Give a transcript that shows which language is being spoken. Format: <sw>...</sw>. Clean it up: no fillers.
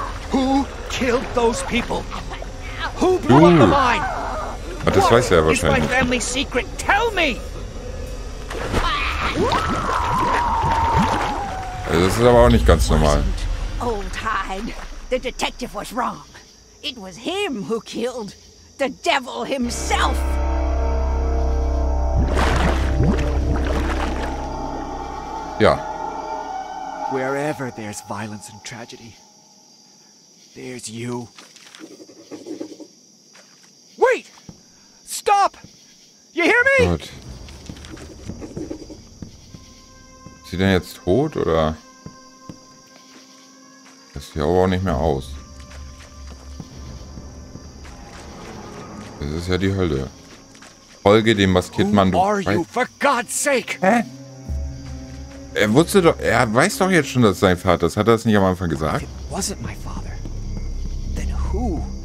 <en>Who killed those people? Who blew up the mine?</en> <de>Aber das weiß er wahrscheinlich.</de> <en>It's my family secret. Tell me.</en> <de>Das ist aber auch nicht ganz normal.</de> <en>Old Hyde, the detective was wrong. It was him who killed the devil himself.</en> <de>Ja.</de> <en>Wherever there's violence and tragedy, there's you. Wait! Stop! You hear me?</en> <de>Gott. Ist sie denn jetzt tot, oder? Das sieht aber auch nicht mehr aus. Das ist ja die Hölle. Folge dem maskierten Mann, du Schwein.</de> <en>For God's sake! Hä?</en> <de>Er wusste doch, er weiß doch jetzt schon, dass sein Vater ist. Hat er das nicht am Anfang gesagt?</de> <en>If it wasn't my father, then who?</en>